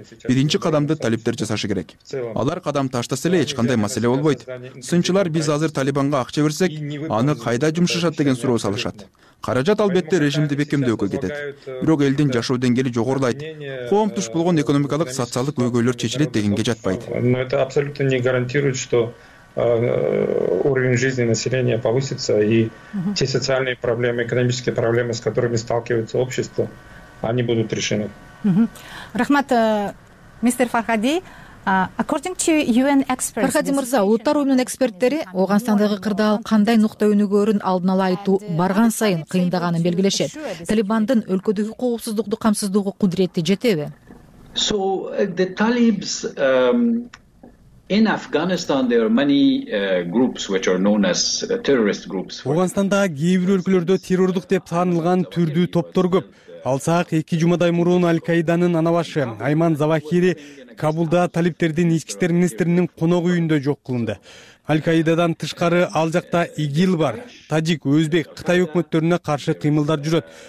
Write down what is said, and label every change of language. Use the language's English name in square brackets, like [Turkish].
[Kyrgyz] Биринчи кадамды талип жасашы керек. Алар кадам таштаса эле эч кандай маселе болбойт. Сынчылар биз азыр Талибанга акча берсек, аны кайда жумшашат деген суроо салышат. Каражат албетте режимди бекемдөөгө кетет. Бирок элдин жашоо деңгээли жогорулайт. Коом туш болгон экономикалык, социалдык өйгөйлөр чечилет дегенге жатпайт. [Russian] Но это абсолютно не гарантирует, что уровень жизни населения повысится и те социальные проблемы, экономические проблемы, с которыми сталкивается общество, они будут решены. [Kyrgyz] Рахмат. [English] Мистер Фархади, according to UN experts, [Kyrgyz] Фархади мырза, улуттар уюмунун эксперттери Оогонстандагы кырдаал кандай нукта өнүгөрүн алдын ала айтуу барган сайын кыйындаганын белгилешет. Талибандын өлкөдөгү коопсуздукту камсыздоого кудурети жетеби? [English] So the Talibs in Afghanistan there are many groups which are known as terrorist groups. [Kyrgyz] Оогонстанда кээ бир өлкөлөрдө террордук деп таанылган түрдүү топтор көп. Алсак, эки жумадай мурун Аль-Каиданын анабашы Айман Завахири Кабулда талиптердин ички иштер министринин конок үйүндө жок кылынды. Аль-Каидадан тышкары ал жакта ИГИЛ бар. Тажик, өзбек, Кытай өкмөттөрүнө каршы кыймылдар жүрөт.